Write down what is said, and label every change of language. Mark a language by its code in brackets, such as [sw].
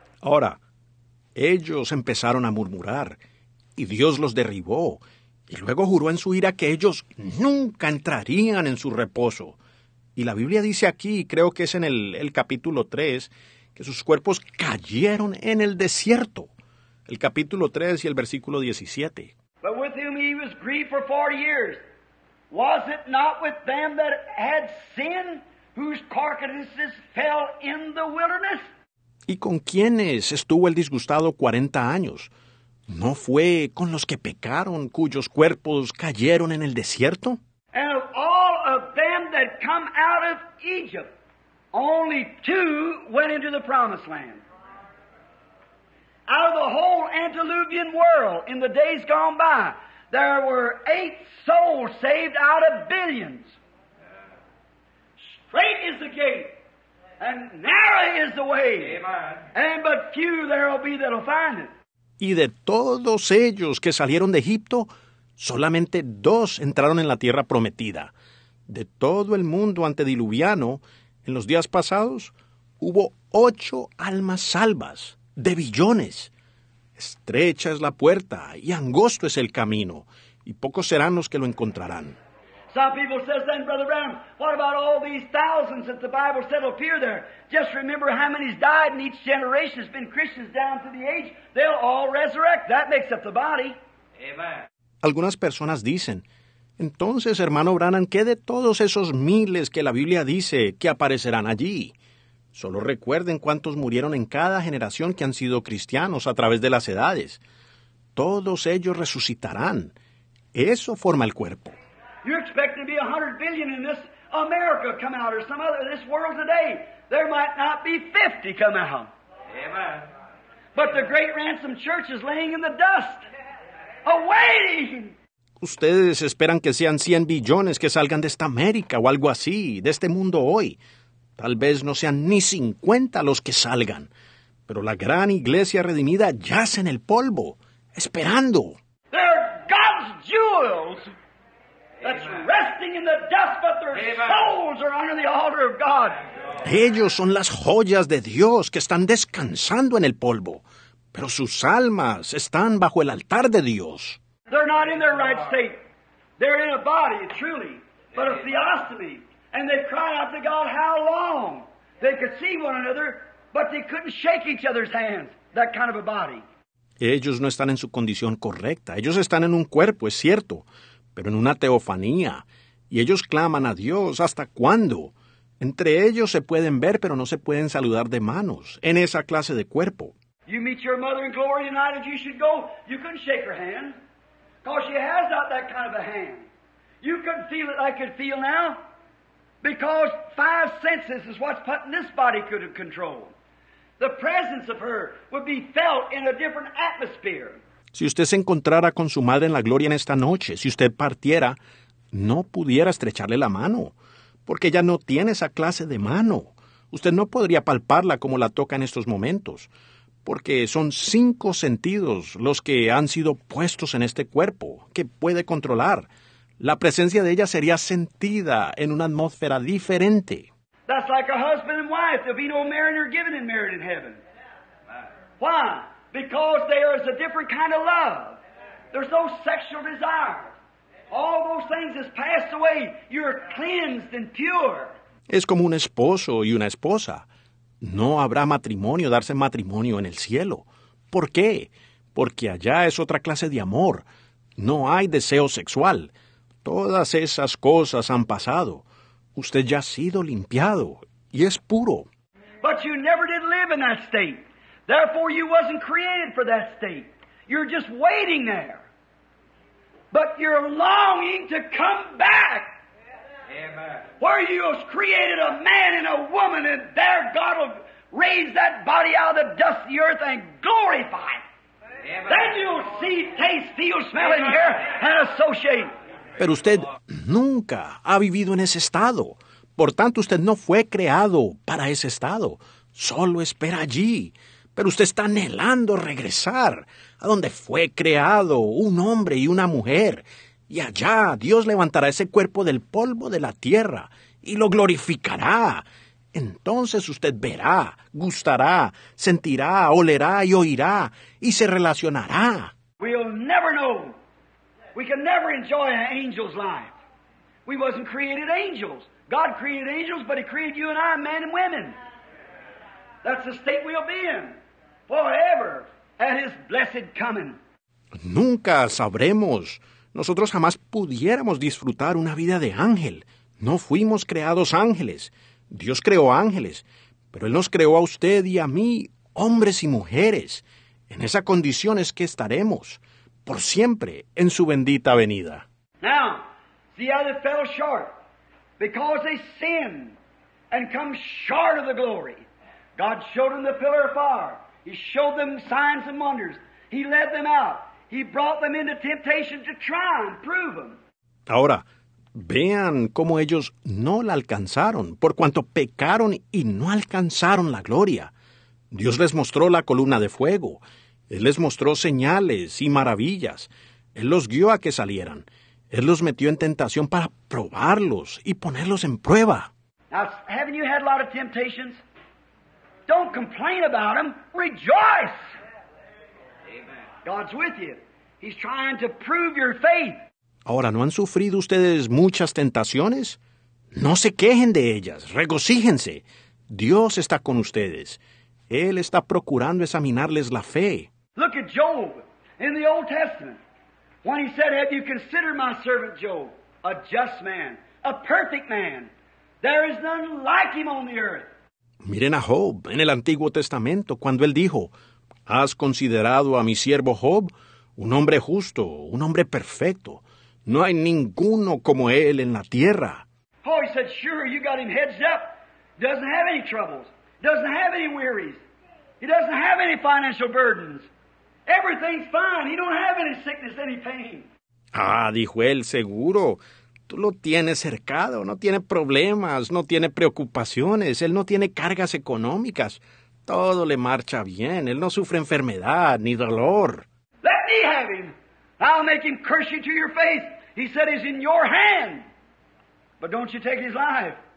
[es] Ahora, ellos empezaron a murmurar, y Dios los derribó, y luego juró en su ira que ellos nunca entrarían en su reposo. Y la Biblia dice aquí, creo que es en el capítulo 3, que sus cuerpos cayeron en el desierto. El capítulo 3 y el versículo 17. [en] But with whom he was grieved for 40 years, was it not with them that had sinned, whose carcasses fell in the wilderness? [es] ¿Y con quiénes estuvo el disgustado 40 años? ¿No fue con los que pecaron, cuyos cuerpos cayeron en el desierto? [en] And of all of them that come out of Egypt, only two went into the promised land. Out of the whole antediluvian world in the days gone by, there were 8 souls saved out of billions. Straight is the gate, and narrow is the way, and but few there will be that will find it. [es] Y de todos ellos que salieron de Egipto, solamente 2 entraron en la tierra prometida. De todo el mundo antediluviano, en los días pasados, hubo 8 almas salvas, de billones. Estrecha es la puerta y angosto es el camino, y pocos serán los que lo encontrarán. [en] Some people say, then, Brother Branham, what about all these thousands that the Bible said will appear there? Just remember how many's died in each generation has been Christians down through the age. They'll all resurrect. That makes up the body. Amen. [es] Algunas personas dicen, entonces, hermano Branham, ¿qué de todos esos miles que la Biblia dice que aparecerán allí? Solo recuerden cuántos murieron en cada generación que han sido cristianos a través de las edades. Todos ellos resucitarán. Eso forma el cuerpo. [en] You're expecting to be 100 billion in this America come out or some other, this world today. There might not be 50 come out. Amen. But the great ransom church is laying in the dust, awaiting. [es] Ustedes esperan que sean 100 billones que salgan de esta América o algo así, de este mundo hoy. Tal vez no sean ni 50 los que salgan. Pero la gran iglesia redimida yace en el polvo, esperando. [en] They're God's jewels. That's resting in the dust, but their souls are under the altar of God. [es] Ellos son las joyas de Dios que están descansando en el polvo, pero sus almas están bajo el altar de Dios. [en] They're not in their right state. They're in a body, truly, but a theosophy. And they cry out to God, how long? They could see one another, but they couldn't shake each other's hands. That kind of a body. [es] Ellos no están en su condición correcta. Ellos están en un cuerpo, es cierto, pero en una teofanía, y ellos claman a Dios, ¿hasta cuándo? Entre ellos se pueden ver, pero no se pueden saludar de manos, en esa clase de cuerpo. [en] You meet your mother in glory tonight, and you should go. You couldn't shake her hand, because she has not that kind of a hand. You couldn't feel it like I could feel now, because 5 senses is what's putting this body could have controlled. The presence of her would be felt in a different atmosphere. [es] Si usted se encontrara con su madre en la gloria en esta noche, si usted partiera, no pudiera estrecharle la mano, porque ella no tiene esa clase de mano. Usted no podría palparla como la toca en estos momentos, porque son 5 sentidos los que han sido puestos en este cuerpo que puede controlar. La presencia de ella sería sentida en una atmósfera diferente. [en] That's like a husband and wife. There'll be no marrying or giving in marriage in heaven. Why? Because there is a different kind of love. There's no sexual desire. All those things has passed away. You're cleansed and pure. [es] Es como un esposo y una esposa. No habrá matrimonio, darse matrimonio en el cielo. ¿Por qué? Porque allá es otra clase de amor. No hay deseo sexual. Todas esas cosas han pasado. Usted ya ha sido limpiado y es puro. [en] But you never did live in that state. Therefore, you wasn't created for that state. You're just waiting there. But you're longing to come back. Amen. Where you have created a man and a woman, and there God will raise that body out of the dust of the earth and glorify it. Amen. Then you'll see, taste, feel, smell, and hear, and associate. [es] Pero usted nunca ha vivido en ese estado. Por tanto, usted no fue creado para ese estado. Solo espera allí. Pero usted está anhelando regresar a donde fue creado un hombre y una mujer. Y allá Dios levantará ese cuerpo del polvo de la tierra y lo glorificará. Entonces usted verá, gustará, sentirá, olerá y oirá y se relacionará. [en] We'll never know. We can never enjoy an angel's life. We wasn't created angels. God created angels, but he created you and I, men and women. That's the state we'll be in. Forever at his blessed coming. [es] Nunca sabremos. Nosotros jamás pudiéramos disfrutar una vida de ángel. No fuimos creados ángeles. Dios creó ángeles. Pero él nos creó a usted y a mí, hombres y mujeres. En esa condición es que estaremos. Por siempre en su bendita venida. [en] Now, the other fell short. Because they sinned and come short of the glory. God showed them the pillar of fire. He showed them signs and wonders. He led them out. He brought them into temptation to try and prove them. [es] Ahora, vean cómo ellos no la alcanzaron, por cuanto pecaron y no alcanzaron la gloria. Dios les mostró la columna de fuego. Él les mostró señales y maravillas. Él los guió a que salieran. Él los metió en tentación para probarlos y ponerlos en prueba. [en] Now, haven't you had a lot of temptations? complain about them. Rejoice! Amen. God's with you. He's trying to prove your faith. [es] Ahora, ¿no han sufrido ustedes muchas tentaciones? No se quejen de ellas. Regocíjense. Dios está con ustedes. Él está procurando examinarles la fe. [en] Look at Job in the Old Testament. When he said, have you considered my servant Job? A just man, a perfect man. There is none like him on the earth. [es] Miren a Job en el Antiguo Testamento cuando él dijo, ¿has considerado a mi siervo Job? Un hombre justo, un hombre perfecto. No hay ninguno como él en la tierra. [en] Oh, he said, sure, you got him heads up. Doesn't have any troubles. Doesn't have any worries. He doesn't have any financial burdens. Everything's fine. He don't have any sickness, any pain. [es] Ah, dijo él, seguro. Tú lo tienes cercado. No tiene problemas. No tiene preocupaciones. Él no tiene cargas económicas. Todo le marcha bien. Él no sufre enfermedad ni dolor. [en] Let me have him. I'll make him curse you to your face. He said he's in your hand. But don't you take his life.